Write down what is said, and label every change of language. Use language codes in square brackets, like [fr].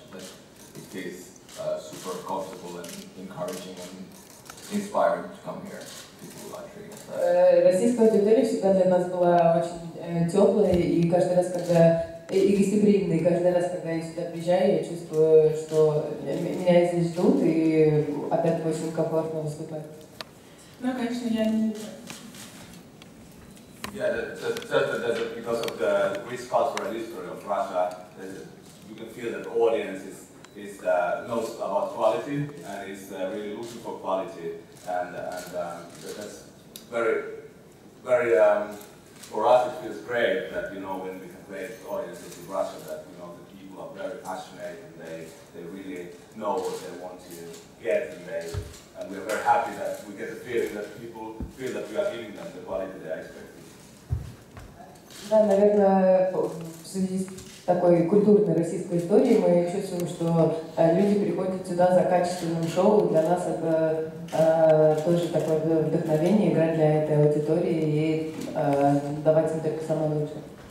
[en] Like, it feels super comfortable and encouraging and inspiring to come here. People are treating us. [ru] Российская аудитория всегда для нас была очень теплая и каждый раз, когда и гостеприимная. Каждый раз, когда я сюда приезжаю, я чувствую, что меня здесь ждут и опять очень комфортно выступать. Ну, конечно, я не. [en] Yeah, that's because of the rich cultural history of Russia, you can feel that audience is knows about quality and is really looking for quality, and that's very for us it feels great that you know when we can play audiences in Russia that you know the people are very passionate and they really know what they want to get and they. And we are very happy that we get the feeling that people feel that we are giving them the quality they are expecting. [ru] Да, наверное, в связи с такой культурной российской историей мы чувствуем, что люди приходят сюда за качественным шоу. Для нас это тоже такое вдохновение играть для этой аудитории и давать им только самое лучшее.